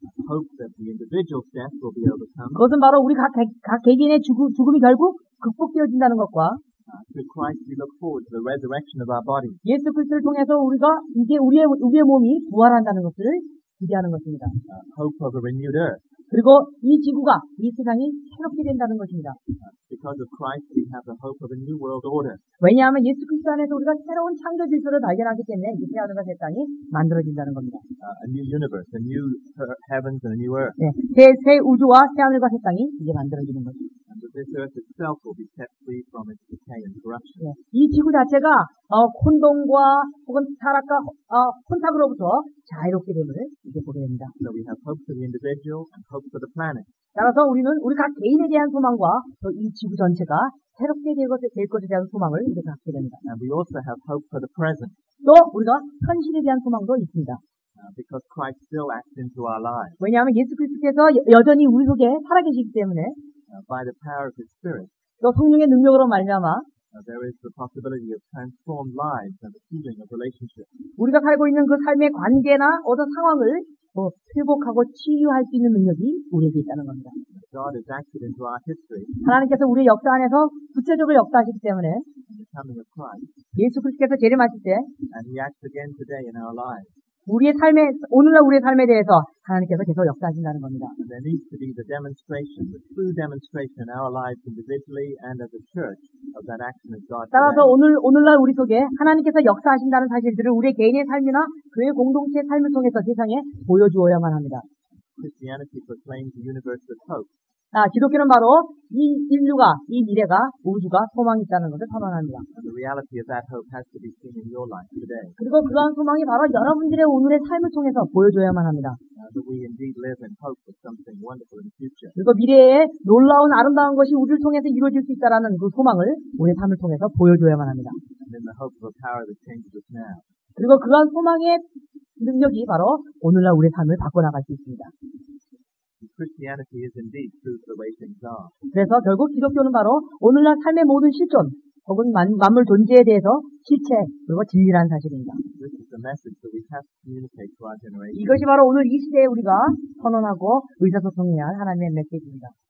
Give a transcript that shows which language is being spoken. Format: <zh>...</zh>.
<en>Hope that the individual's death will be overcome.</en> <ko>그것은 바로 우리 각 개개인의 죽음이 결국 극복되어진다는 것과</ko> <en>through Christ we look forward to the resurrection of our body.</en> <ko>예수 그리스도를 통해서 우리가 이제 우리의 몸이 부활한다는 것을 기대하는 것입니다.</ko> <en>Hope of a renewed earth.</en> <ko>그리고 이 지구가 이 세상이 새롭게 된다는 것입니다.</ko> <en>Because of Christ, we have the hope of a new world order.</en> <ko>왜냐하면 예수 그리스도 안에서 우리가 새로운 창조 질서를 발견하기 때문에 이 새하늘과 새 땅이 만들어진다는 겁니다.</ko> <en>A new universe, a new heavens and a new earth.</en> <ko>네, 새 우주와 새하늘과 새 땅이 이제 만들어지는 거죠.</ko> <en>And so this earth itself will be set free from its decay and corruption.</en> <ko>네, 이 지구 자체가 혼돈과 혹은 타락과 혼탁으로부터 자유롭게 됨을 이제 보게 됩니다.</ko> <en>So we have hope for the individual and hope for the planet.</en> <ko>따라서 우리는 우리 각 개인에 대한 소망과 또 이 지구 전체가 새롭게 될 것에 대한 소망을 이제 갖게 됩니다.</ko> <en>And we also have hope for the present.</en> <ko>또 우리가 현실에 대한 소망도 있습니다.</ko> <en>Because Christ still acts into our lives.</en> <ko>왜냐하면 예수 그리스도께서 여전히 우리 속에 살아계시기 때문에</ko> <en>by the power of His Spirit.</en> <ko>또 성령의 능력으로 말미암아</ko> <en>there is the possibility of transformed lives and the healing of relationships.</en> <ko>우리가 살고 있는 그 삶의 관계나 어떤 상황을 회복하고 치유할 수 있는 능력이 우리에게 있다는 겁니다.</ko> <en>God has acted into our history.</en> <ko>하나님께서 우리의 역사 안에서 구체적으로 역사하시기 때문에</ko> <en>the coming of Christ.</en> <ko>예수 그리스도께서 재림하실 때</ko> <en>and he acts again today in our lives.</en> <ko>우리의 삶에 오늘날 우리의 삶에 대해서 하나님께서 계속 역사하신다는 겁니다.</ko> <en>And there needs to be the demonstration, the true demonstration in our lives individually and as a church of that action of God.</en> <ko>따라서 오늘날 우리 속에 하나님께서 역사하신다는 사실들을 우리의 개인의 삶이나 교회 공동체의 삶을 통해서 세상에 보여주어야만 합니다.</ko> <en>Christianity proclaims the universe's hope.</en> <ko>아, 기독교는 바로 이 인류가, 이 미래가, 우주가 소망이 있다는 것을 선언합니다.</ko> <en>The reality of that hope has to be seen in your life today.</en> <ko>그리고 그러한 소망이 바로 여러분들의 오늘의 삶을 통해서 보여줘야만 합니다.</ko> <en>That we indeed live in hope for something wonderful in the future.</en> <ko>그리고 미래에 놀라운 아름다운 것이 우리를 통해서 이루어질 수 있다는 그 소망을 우리의 삶을 통해서 보여줘야만 합니다.</ko> <en>And then the hope of a power that changes us now.</en> <ko>그리고 그러한 소망의 능력이 바로 오늘날 우리의 삶을 바꿔나갈 수 있습니다.</ko> <en>Christianity is indeed true to the way things are.</en> <ko>그래서 결국 기독교는 바로 오늘날 삶의 모든 실존 혹은 만물 존재에 대해서 실체 그리고 진리라는 사실입니다.</ko> <en>This is the message that we have to communicate to our generation.</en> <ko>이것이 바로 오늘 이 시대에 우리가 선언하고 의사소통해야 할 하나님의 메시지입니다.</ko>